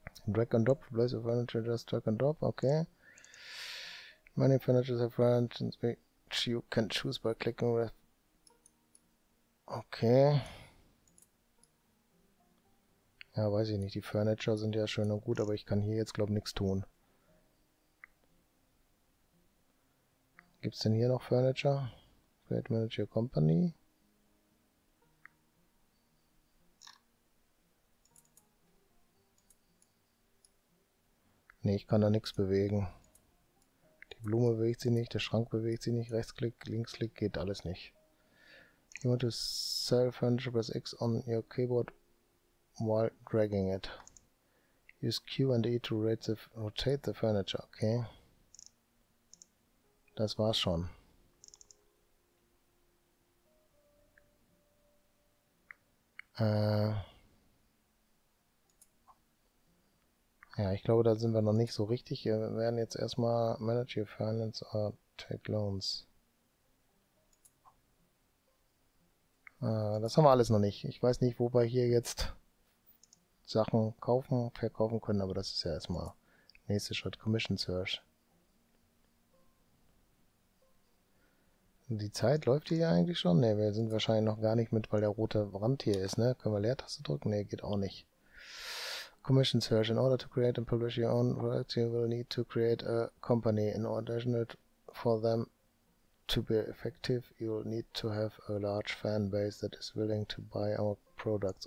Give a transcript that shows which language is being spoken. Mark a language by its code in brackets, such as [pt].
[en] Drag and drop, place of furniture, just drag and drop, okay. Many furniture have furniture, which you can choose by clicking with. Okay. [de] Ja, weiß ich nicht, die Furniture sind ja schön und gut, aber ich kann hier jetzt, glaube ich, nichts tun. Gibt es denn hier noch Furniture? [en] Create Manager Company. [de] Ne, ich kann da nichts bewegen. Die Blume bewegt sich nicht, der Schrank bewegt sich nicht. Rechtsklick, Linksklick, geht alles nicht. [en] You want to sell furniture, press X on your keyboard while dragging it. Use Q and E to rotate the furniture. Okay. [de] Das war's schon. Ja, ich glaube, da sind wir noch nicht so richtig. Wir werden jetzt erstmal [en] Manage Your Finance or Take Loans. [de] Das haben wir alles noch nicht. Ich weiß nicht, wo wir hier jetzt Sachen kaufen, verkaufen können, aber das ist ja erstmal nächster Schritt. Commission Search. Die Zeit läuft hier eigentlich schon? Ne, wir sind wahrscheinlich noch gar nicht mit, weil der rote Rand hier ist, ne? Können wir Leertaste drücken? Ne, geht auch nicht. Commission Search. [en] In order to create and publish your own products, you will need to create a company. In order for them to be effective, you will need to have a large fan base that is willing to buy our products.